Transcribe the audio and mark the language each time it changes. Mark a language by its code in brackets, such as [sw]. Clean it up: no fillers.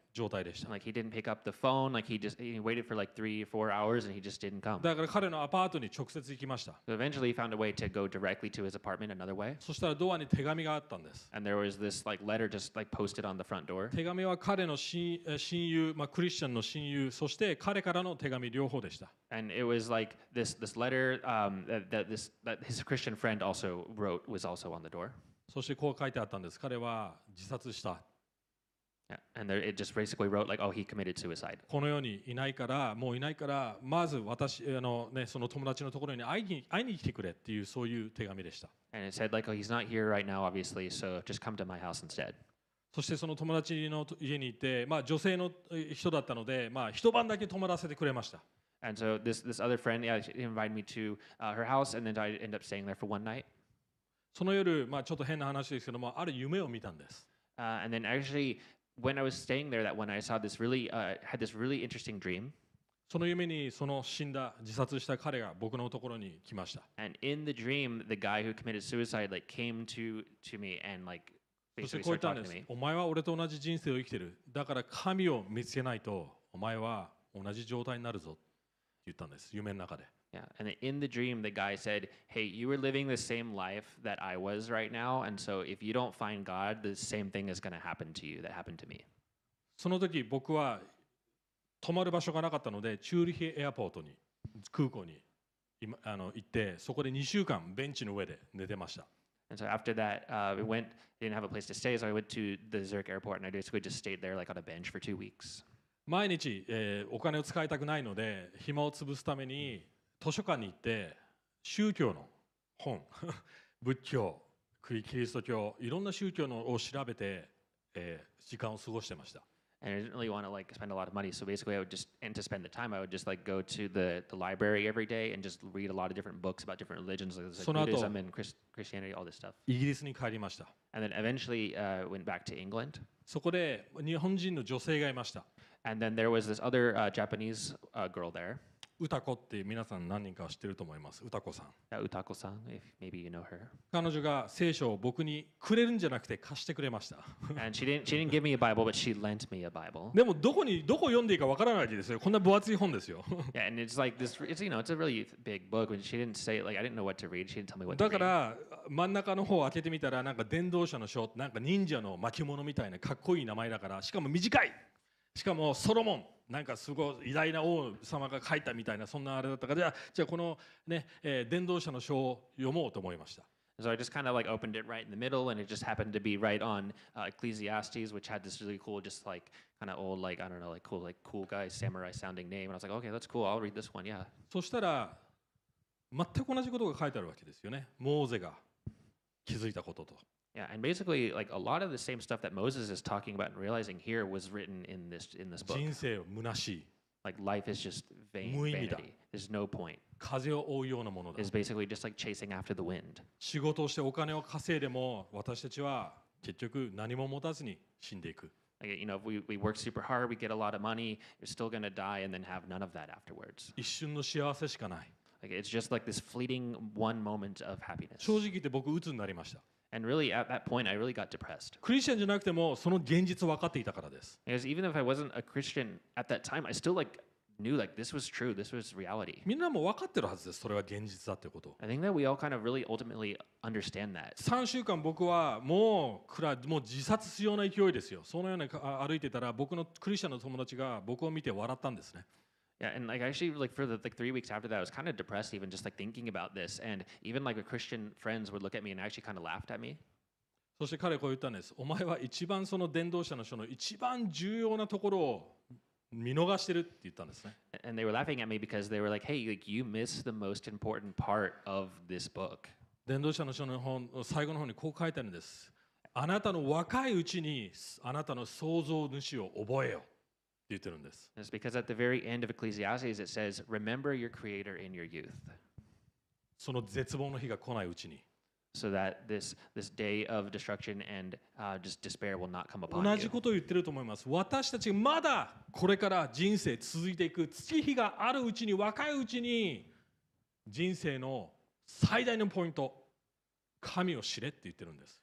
[ja] 状態でした。 [en] Like he didn't pick up the phone. Like he waited for like 3 or 4 hours, and he just didn't come. [ja] だから彼のアパートに直接行きました。 [en] So eventually, he found a way to go directly to his apartment another way. [ja] そしたらドアに手紙があったんです。 [en] And there was this like letter just like posted on the front door. [ja] 手紙は彼の親友、まあクリスチャンの親友、そして彼からの手紙両方でした。 [en] And it was like this letter, that his Christian friend also wrote was also on the door. [ja] そしてこう書いてあったんです。彼は自殺した。 [en] And there, it just basically wrote like, oh, he committed suicide. [ja] このようにいないから、もういないから、まず私、ね、その友達のところに会いに来てくれっていう、そういう手紙でした。 [en] And it said like, oh, he's not here right now, obviously, so just come to my house instead. [ja] そしてその友達の家に行って、まあ女性の人だったので、まあ一晩だけ泊まらせてくれました。 [en] And so this other friend, yeah, she invited me to her house, and then I ended up staying there for one night. [ja] その夜、まあ、ちょっと変な話ですけども、ある夢を見たんです。 [en] And then actually, when I was staying there that one night, I saw this really, had this really interesting dream. [ja] その夢にその死んだ、自殺した彼が僕のところに来ました。 [en] And in the dream, the guy who committed suicide, like, came to me and, like, basically [ja] そしてこう言ったんです。お前は俺と同じ人生を生きてる。だから神を見つけないと、お前は同じ状態になるぞ。言ったんです。夢の中で。 [en] Yeah, and in the dream, the guy said, "Hey, you were living the same life that I was right now, and so if you don't find God, the same thing is going to happen to you that happened to me." [ja] その時僕は泊まる場所がなかったので、チューリヒエアポートに空港に行って、そこで2週間ベンチの上で寝てました。 [en] And so after that, we went. Didn't have a place to stay, so I went to the Zurich airport, and I basically just stayed there, like on a bench, for 2 weeks. [ja] 毎日、お金を使いたくないので、暇を潰すために。図書館に行って宗教の本仏教キリスト教いろんな宗教のを調べて、時間を過ごしてました。 [en] And I didn't really want to like spend a lot of money, so basically I would just, and to spend the time, I would just like go to the library every day and just read a lot of different books about different religions, like Buddhism and Christianity, all this stuff. [ja] イギリスに帰りました。 [en] And then eventually went back to England. [ja] そこで日本人の女性がいました。 [en] And then there was this other Japanese girl there. [ja] 歌子って皆さん何人かは知ってると思います。歌子さん。 [en] 歌子さん、if maybe you know her. [ja] 彼女が聖書を僕にくれるんじゃなくて貸してくれました。 [en] And she didn't give me a Bible, but she lent me a Bible. [ja] でもどこ読んでいいかわからないわけですよ。こんな分厚い本ですよ。 [en] Yeah, and it's like this, it's, you know, it's a really big book. When she didn't say, like, I didn't know what to read. She didn't tell me what to read. [ja] だから真ん中の方を開けてみたら、なんか伝道者の書、なんか忍者の巻物みたいなかっこいい名前だから、しかも短い。しかもソロモン。なんかすごい偉大な王様が書いたみたいなそんなあれだったから、じゃあこのね、伝道者の書を読もうと思いました。 [en] So I just kind of like opened it right in the middle, and it just happened to be right on Ecclesiastes, which had this really cool, just like kind of old, like I don't know, like cool, like cool guy samurai sounding name. And I was like, okay, that's cool. I'll read this one. Yeah. [ja] そしたら全く同じことが書いてあるわけですよね。モーゼが気づいたことと。 [en] Yeah, and basically, like a lot of the same stuff that Moses is talking about and realizing here was written in this book. [ja] 人生は虚しい。 [en] Like life is just vain. [ja] 無意味だ。 [en] Vanity. There's no point. [ja] 風を追うようなものだ。 [en] It's basically just like chasing after the wind. [ja] 仕事をしてお金を稼いでも、私たちは結局何も持たずに死んでいく。 [en] Like, you know, if we work super hard, we get a lot of money, you're still gonna die and then have none of that afterwards. [ja] 一瞬の幸せしかない。 [en] Like it's just like this fleeting one moment of happiness. [ja] 正直言って僕鬱になりました。 [en] And really, at that point, I really got depressed. [ja] クリスチャンじゃなくても、その現実を分かっていたからです。 [en] Because even if I wasn't a Christian at that time, I still like knew like this was true, this was reality. [ja] みんなも分かってるはずです。それは現実だってこと。 [en] I think that we all kind of really ultimately understand that. [ja] 3週間僕はもう暗い、もう自殺するような勢いですよ。そのように歩いてたら、僕のクリスチャンの友達が僕を見て笑ったんですね。 [en] Yeah, and like actually, like for the like 3 weeks after that, I was kind of depressed, even just like thinking about this. And even like a Christian friends would look at me and actually kind of laughed at me. [ja] そして彼はこう言ったんです。お前は一番その伝道者の書の一番重要なところを見逃してるって言ったんですね。 [en] And they were laughing at me because they were like, "Hey, like you miss the most important part of this book." [ja] 伝道者の書の本最後の方にこう書いてあるんです。あなたの若いうちにあなたの創造主を覚えよ。 [en] It's because at the very end of Ecclesiastes it says, "Remember your Creator in your youth." [ja] その絶望の日が来ないうちに。 [en] So that this day of destruction and just despair will not come upon you. [ja] 同じことを言ってると思います。私たちまだこれから人生続いていく月日があるうちに若いうちに人生の最大のポイント、神を知れって言ってるんです。